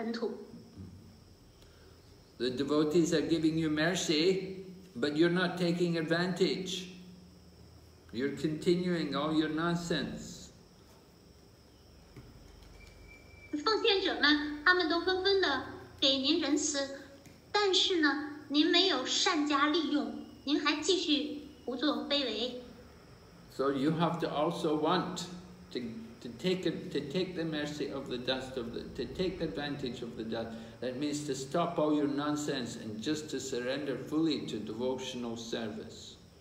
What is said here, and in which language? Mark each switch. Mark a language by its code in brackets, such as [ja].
[zh] 同样的，您可能已经把他们足下的尘土呢放在您的头上，但是如果您继续的胡作非为、做蠢事儿，那么你就没有充分的利用这些尘土。 [en] The devotees are giving you mercy, but you're not taking advantage. You're continuing all your nonsense. [zh] 奉献者们，他们都纷纷的给您仁慈，但是呢，您没有善加利用，您还继续胡作非为。 [en] So you have to also want to take advantage of the dust. That means to stop all your nonsense and just to surrender fully to devotional service.